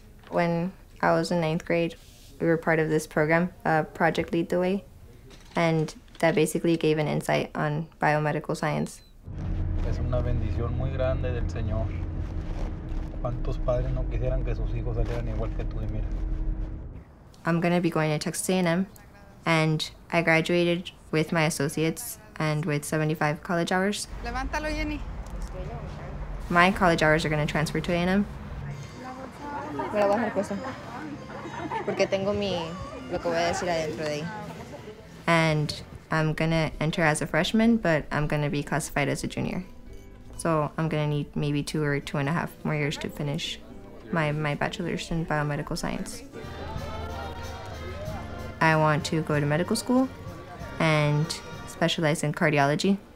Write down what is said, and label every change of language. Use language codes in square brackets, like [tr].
[en] When I was in ninth grade, we were part of this program, Project Lead the Way, and that basically gave an insight on biomedical science. [es] Es una bendición muy grande del Señor. ¿Cuántos padres no quisieran que sus hijos salieran igual que tú y mira? [en] I'm going to be going to Texas A&M, and I graduated with my associates and with 75 college hours. [es] Levántalo, Jenny. [en] My college hours are going to transfer to A&M. [es] Me la voy a dejar puesta. Porque tengo mi, lo que voy a decir adentro de ahí. [en] And I'm going to enter as a freshman, but I'm going to be classified as a junior. So I'm going to need maybe 2 or 2.5 more years to finish my bachelor's in biomedical science. I want to go to medical school and specialize in cardiology.